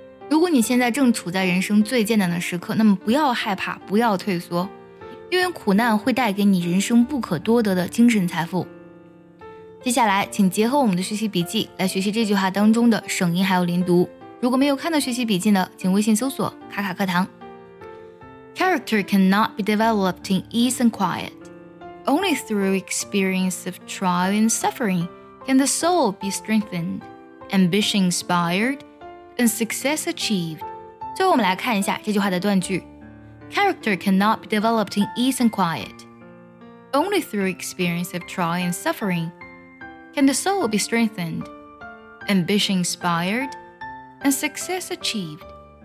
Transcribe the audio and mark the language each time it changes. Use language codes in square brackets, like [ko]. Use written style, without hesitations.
[zh] 如果你现在正处在人生最艰难的时刻，那么不要害怕，不要退缩，因为苦难会带给你人生不可多得的精神财富。接下来请结合我们的学习笔记来学习这句话当中的省音还有连读。如果没有看到学习笔记呢，请微信搜索卡卡课堂。 [en] Character cannot be developed in ease and quiet. Only through experience of trial and suffering can the soul be strengthened, ambition inspired, and success achieved. [zh] 最后我们来看一下这句话的断句。 [en] Character cannot be developed in ease and quiet. Only through experience of trial and sufferingCan the soul be strengthened, ambition inspired, and success achieved?